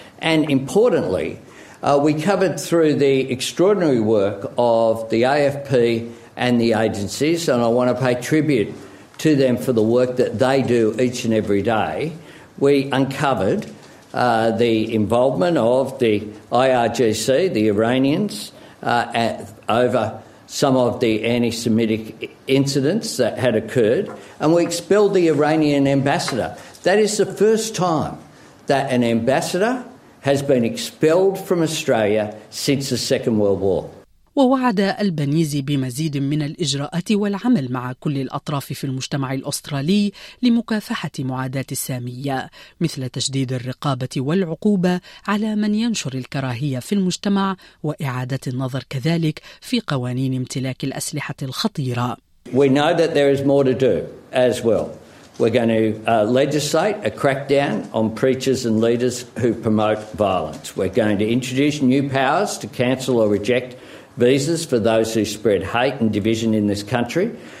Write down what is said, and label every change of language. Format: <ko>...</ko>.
<en>And importantly, we covered through the extraordinary work of the AFP and the agencies, and I want to pay tribute to them for the work that they do each and every day, we uncovered the involvement of the IRGC, the Iranians, over some of the anti-Semitic incidents that had occurred, and we expelled the Iranian ambassador. That is the first time that an ambassador has been expelled from Australia since the Second World War.</en> <ar>ووعد البنيزي بمزيد من الإجراءات والعمل مع كل الأطراف في المجتمع الأسترالي لمكافحة معاداة السامية، مثل تشديد الرقابة والعقوبة على من ينشر الكراهية في المجتمع وإعادة النظر كذلك في قوانين امتلاك الأسلحة الخطيرة.</ar> <en>We know that there is more to do as well. We're going to legislate a crackdown on preachers and leaders who promote violence. We're going to introduce new powers to cancel or reject visas for those who spread hate and division in this country.</en>